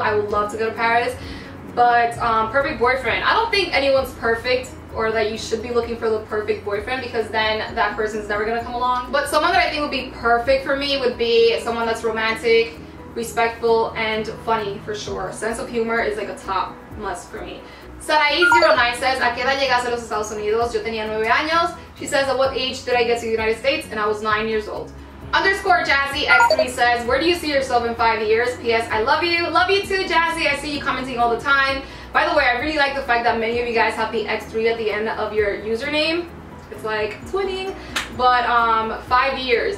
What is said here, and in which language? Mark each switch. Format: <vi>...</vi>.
<en>I would love to go to Paris. But perfect boyfriend, I don't think anyone's perfect, or that you should be looking for the perfect boyfriend, because then that person's never gonna come along. But someone that I think would be perfect for me would be someone that's romantic, respectful, and funny for sure. Sense of humor is like a top must for me. Sarai09 says,</en> <es>¿A qué edad llegaste a los Estados Unidos? Yo tenía 9 años.</es> <en>She says, at what age did I get to the United States? And I was 9 years old. _ JazzyX3 says, where do you see yourself in 5 years? P.S. I love you. Love you too, Jazzy. I see you commenting all the time. By the way, I really like the fact that many of you guys have the X3 at the end of your username. It's like twinning. But 5 years.</en>